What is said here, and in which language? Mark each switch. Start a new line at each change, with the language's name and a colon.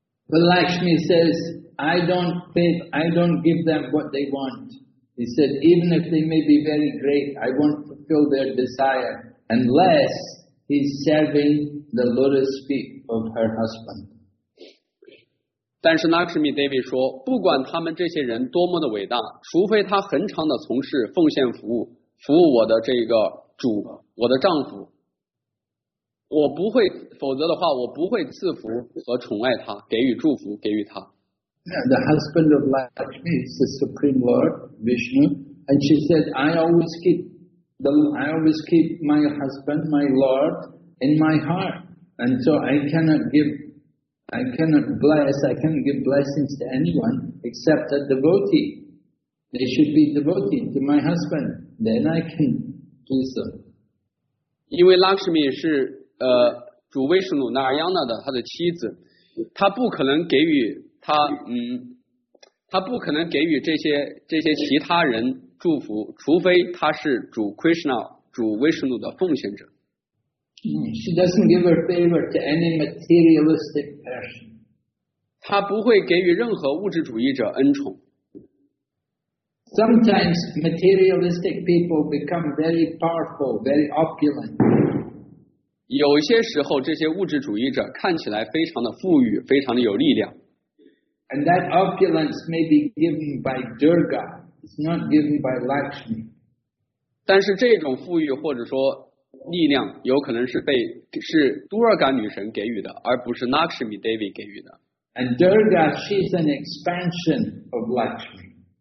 English: But Lakshmi says, I don't give them what they want. He said, even if they may be very great, I won't fulfill their desire unless he's serving the lotus feet of her husband.
Chinese: 但是 Lakshmi Devi 说不管他们这些人多么的伟大除非他恒常的从事奉献服务我的这个主我的丈夫我不会否则的话我不会赐福和宠爱他给予祝福给予他
English: The husband of Lakshmi is the Supreme Lord Vishnu and she said I always keep my husband my Lord in my heart and so I cannot give blessings to anyone except a devotee. They should be devoted to my husband. Then I can do so.
Chinese: 因为 Lakshmi 是主 Vishnu Narayana 的他的妻子，他不可能给予他他不可能给予这些其他人祝福，除非他是主 Krishna 主 Vishnu 的奉献者。
English: She doesn't give her favor to any materialistic person.
Chinese: 她不会给予任何物质主义者恩宠。
English: Sometimes materialistic people become very powerful, very opulent.
Chinese: 有些时候这些物质主义者看起来非常的富裕，非常的有力量。
English: And that opulence may be given by Durga. It's not given by Lakshmi.
Chinese: 但是这种富裕或者说力量有可能是被是杜尔嘎女神给予的而不是 Lakshmi Devi 给予的
English: And Durga, she's an expansion of Lakshmi.